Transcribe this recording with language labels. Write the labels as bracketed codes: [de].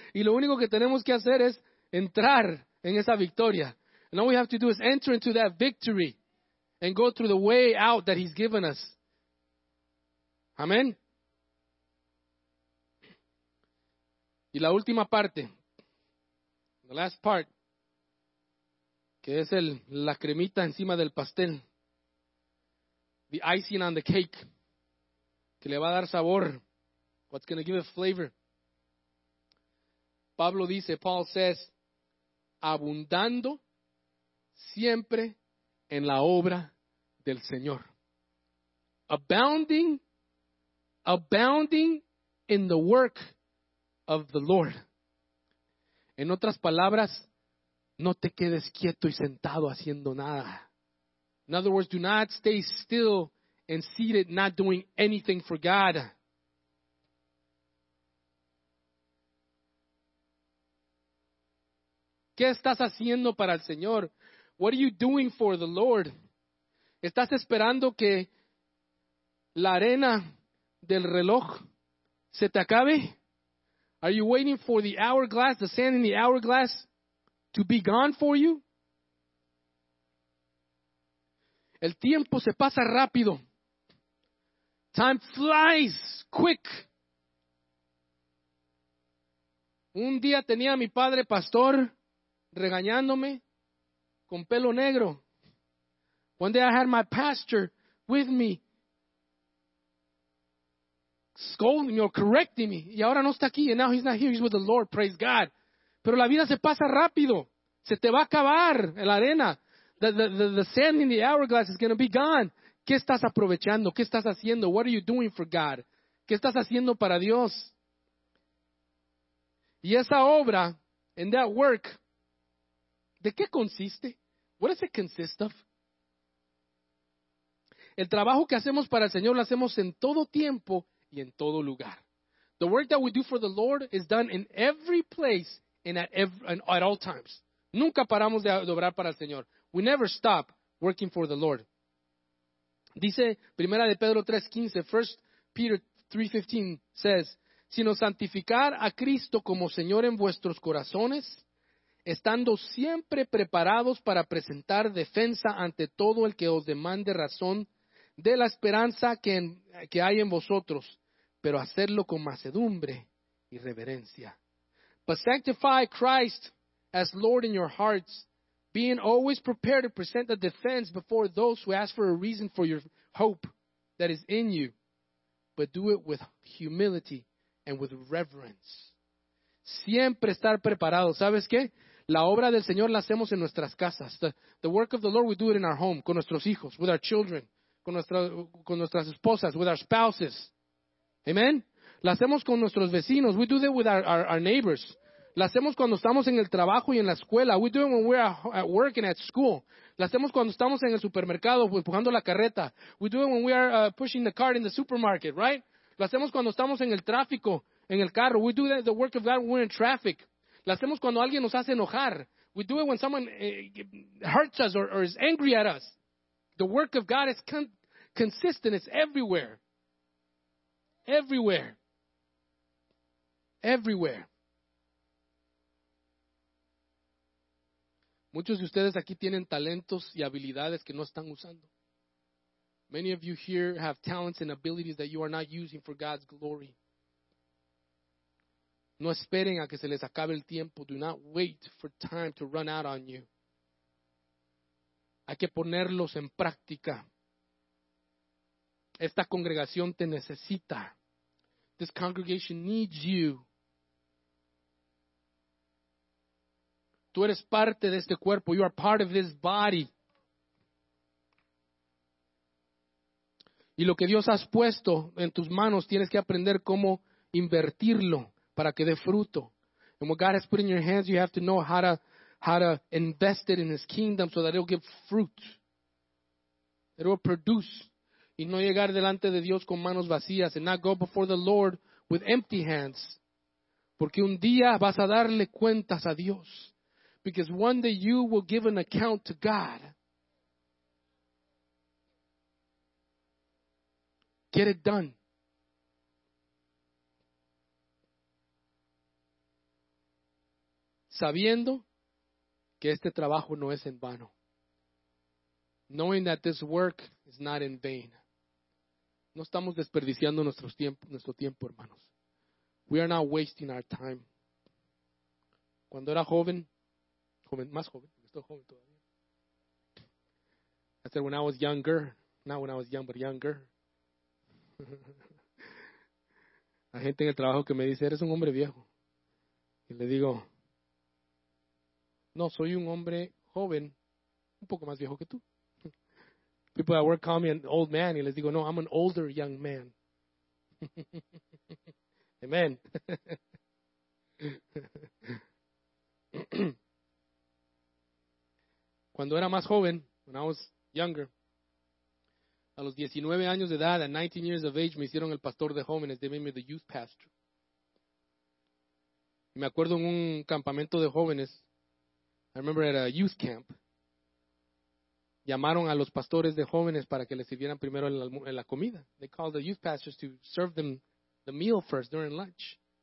[es] Y lo único que tenemos que hacer es entrar en esa victoria. [en] And all we have to do is enter into that victory and go through the way out that he's given us. [es] Amén. Y la última parte, [en] the last part, [es] que es la cremita encima del pastel, [en] the icing on the cake, [es] que le va a dar sabor, [en] what's going to give it flavor. [es] Pablo dice, [en] Paul says, [es] abundando siempre en la obra del Señor. [en] Abounding, abounding in the work of the Lord. [es] En otras palabras, no te quedes quieto y sentado haciendo nada. [en] In other words, do not stay still and seated not doing anything for God. [es] ¿Qué estás haciendo para el Señor? [en] What are you doing for the Lord? [es] ¿Estás esperando que la arena del reloj se te acabe? [en] Are you waiting for the hourglass, the sand in the hourglass, to be gone for you? [es] El tiempo se pasa rápido. [en] Time flies quick. [es] Un día tenía a mi padre pastor regañándome con pelo negro. [en] One day I had my pastor with me scolding me or correcting me. [es] Y ahora no está aquí. [en] And now he's not here. He's with the Lord. Praise God. [es] Pero la vida se pasa rápido. Se te va a acabar en la arena. [en] The sand in the hourglass is going to be gone. [es] ¿Qué estás aprovechando? ¿Qué estás haciendo? [en] What are you doing for God? [es] ¿Qué estás haciendo para Dios? Y esa obra, [en] and that work, [es] ¿de qué consiste? [en] What does it consist of? [es] El trabajo que hacemos para el Señor lo hacemos en todo tiempo y en todo lugar. [en] The work that we do for the Lord is done in every place and at all times. [es] Nunca paramos de obrar para el Señor. [en] We never stop working for the Lord. [es] Dice Primera de Pedro 3:15, [en] 1 Peter 3:15 says, [es] sino santificar a Cristo como Señor en vuestros corazones, estando siempre preparados para presentar defensa ante todo el que os demande razón de la esperanza que hay en vosotros, pero hacerlo con mansedumbre y reverencia. [en] But sanctify Christ as Lord in your hearts, being always prepared to present a defense before those who ask for a reason for your hope that is in you, but do it with humility and with reverence. [es] Siempre estar preparado. ¿Sabes qué? La obra del Señor la hacemos en nuestras casas. [en] The work of the Lord, we do it in our home, [es] con nuestros hijos, [en] with our children, [es] con nuestras esposas, [en] with our spouses. Amen. [es] La hacemos con nuestros vecinos. [en] We do that with our neighbors. [es] La hacemos cuando estamos en el trabajo y en la escuela. [en] We do it when we're at work and at school. [es] La hacemos cuando estamos en el supermercado empujando la carreta. [en] We do it when we are pushing the cart in the supermarket, right? [es] La hacemos cuando estamos en el tráfico, en el carro. [en] We do that the work of God when we're in traffic. [es] La hacemos cuando alguien nos hace enojar. [en] We do it when someone hurts us or is angry at us. The work of God is consistent. It's everywhere. Everywhere. Everywhere. [es] Muchos de ustedes aquí tienen talentos y habilidades que no están usando. [en] Many of you here have talents and abilities that you are not using for God's glory. [es] No esperen a que se les acabe el tiempo. [en] Do not wait for time to run out on you. [es] Hay que ponerlos en práctica. Esta congregación te necesita. [en] This congregation needs you. [es] Tú eres parte de este cuerpo. [en] You are part of this body. [es] Y lo que Dios has puesto en tus manos, tienes que aprender cómo invertirlo para que dé fruto. [en] And what God has put in your hands, you have to know how to invest it in His kingdom so that it will give fruit. It will produce. [es] Y no llegar delante de Dios con manos vacías. [en] And not go before the Lord with empty hands. [es] Porque un día vas a darle cuentas a Dios. [en] Because one day you will give an account to God. Get it done. [es] Sabiendo que este trabajo no es en vano. [en] Knowing that this work is not in vain. [es] No estamos desperdiciando nuestro tiempo, hermanos. [en] We are not wasting our time. [es] Cuando era joven, [en] I said when I was younger, not when I was young, but younger. [es] Hay gente en el trabajo que me dice, eres un hombre viejo. Y le digo, no, soy un hombre joven, un poco más viejo que tú. [en] People at work call me an old man. [es] Y les digo, no, [en] I'm an older young man. Amen. [es] Cuando era más joven, [en] when I was younger, [es] a los 19 años de edad, [en] at 19 years of age, [es] me hicieron el pastor de jóvenes. [en] They made me the youth pastor. [es] Y me acuerdo en un campamento de jóvenes, [en] I remember at a youth camp, [es] llamaron a los pastores de jóvenes para que les sirvieran primero la comida. [en] They called the youth pastors to serve them the meal first during lunch.